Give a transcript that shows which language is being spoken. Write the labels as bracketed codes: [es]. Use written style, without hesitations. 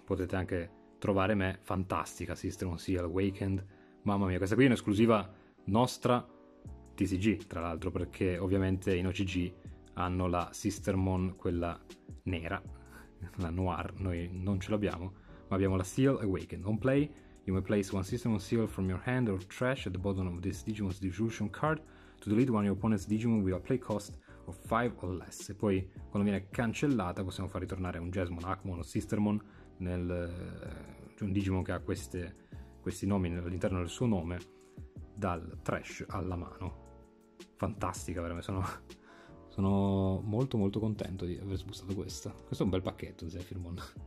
[it] Potete anche trovare me, fantastica, System of Seal Awakened. Mamma mia, questa qui è un'esclusiva nostra TCG, tra l'altro, perché ovviamente in OCG hanno la Sistermon, quella nera, la Noir, noi non ce l'abbiamo, ma abbiamo la Seal Awakened. [en] On play, you may place one System of Seal from your hand or trash at the bottom of this Digimon's Devolution card to delete one of your opponent's Digimon with a play cost of 5 or less. [it] E poi, quando viene cancellata, possiamo far ritornare un Jasmon, Akmon o Sistermon, un Digimon che ha questi nomi all'interno del suo nome, dal trash alla mano. Fantastica, veramente. Sono molto molto contento di aver sbustato questa. Questo è un bel pacchetto, Zephyrmon.